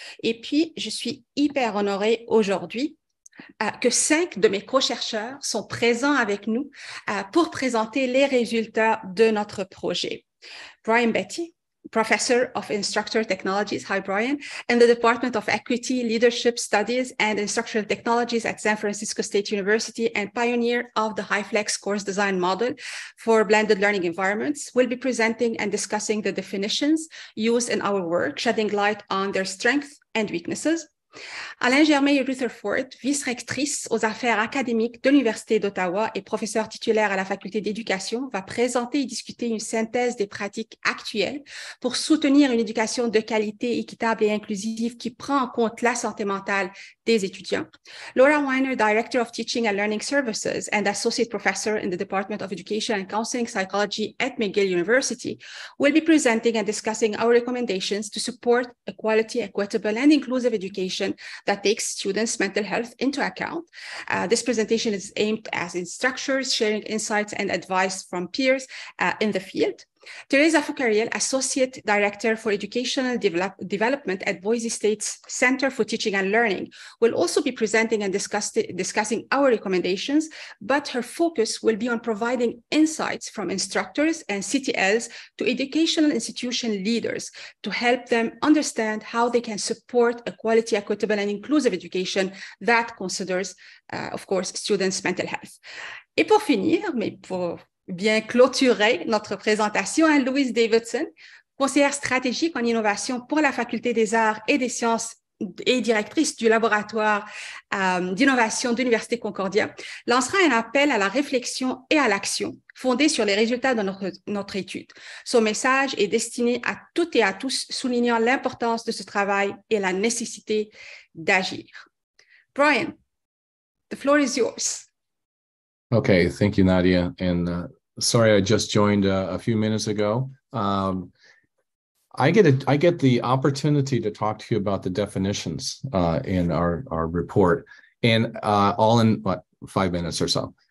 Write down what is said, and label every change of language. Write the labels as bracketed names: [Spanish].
[French] Et puis, je suis hyper honorée aujourd'hui que 5 de mes co-chercheurs sont présents avec nous pour présenter les résultats de notre projet. [English] Brian Betty, Professor of Instructor Technologies, hi Brian, in the Department of Equity, Leadership Studies and Instructional Technologies at San Francisco State University and pioneer of the HyFlex course design model for blended learning environments, will be presenting and discussing the definitions used in our work, shedding light on their strengths and weaknesses. [French] Alain Germain Rutherford, vice-rectrice aux affaires académiques de l'Université d'Ottawa et professeur titulaire à la Faculté d'éducation, va présenter et discuter une synthèse des pratiques actuelles pour soutenir une éducation de qualité équitable et inclusive qui prend en compte la santé mentale des étudiants. [English] Laura Weiner, Director of Teaching and Learning Services and Associate Professor in the Department of Education and Counseling Psychology at McGill University, will be presenting and discussing our recommendations to support a quality, equitable, and inclusive education that takes students' mental health into account. This presentation is aimed at instructors sharing insights and advice from peers in the field. Teresa Fukariel, Associate Director for Educational Development at Boise State's Center for Teaching and Learning, will also be presenting and discussing our recommendations, but her focus will be on providing insights from instructors and CTLs to educational institution leaders to help them understand how they can support a quality, equitable, and inclusive education that considers, of course, students' mental health. [French] Et pour finir, mais pour bien clôturer notre présentation, hein, Louise Davidson, conseillère stratégique en innovation pour la Faculté des arts et des sciences et directrice du laboratoire d'innovation d'Université Concordia, lancera un appel à la réflexion et à l'action fondée sur les résultats de notre étude. Son message est destiné à toutes et à tous, soulignant l'importance de ce travail et la nécessité d'agir. [English] Brian, the floor is yours. Okay, thank you, Nadia. And sorry, I just joined a few minutes ago. I get the opportunity to talk to you about the definitions in our report, and all in what, 5 minutes or so.